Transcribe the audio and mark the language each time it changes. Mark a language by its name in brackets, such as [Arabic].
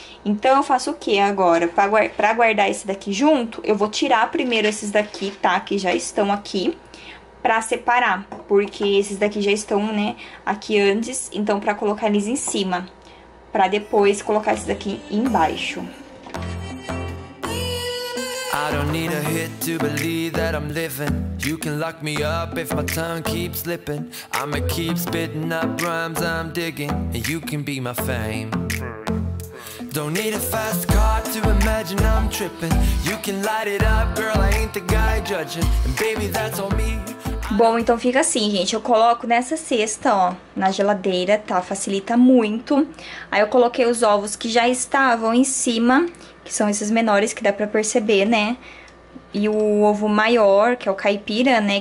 [Portuguese] Então, eu faço o que agora? Pra guardar esse daqui junto, eu vou tirar primeiro esses daqui, tá? Que já estão aqui, pra separar. Porque esses daqui já estão, né, aqui antes. Então, pra colocar eles em cima. Pra depois colocar esses daqui embaixo. [English] I don't need a hit to believe that I'm living. You can lock me up if my tongue keeps slipping. I'ma keep spitting up rhymes I'm digging, and you can be my fame. Don't need a fast car to imagine I'm tripping. You can light it up, girl, I ain't the guy judging. And baby, that's on me. [Portuguese] Bom, então fica assim, gente. Eu coloco nessa cesta, ó, na geladeira, tá? Facilita muito. Aí eu coloquei os ovos que já estavam em cima. Que são esses menores que dá pra perceber, né? E o ovo maior, que é o caipira, né?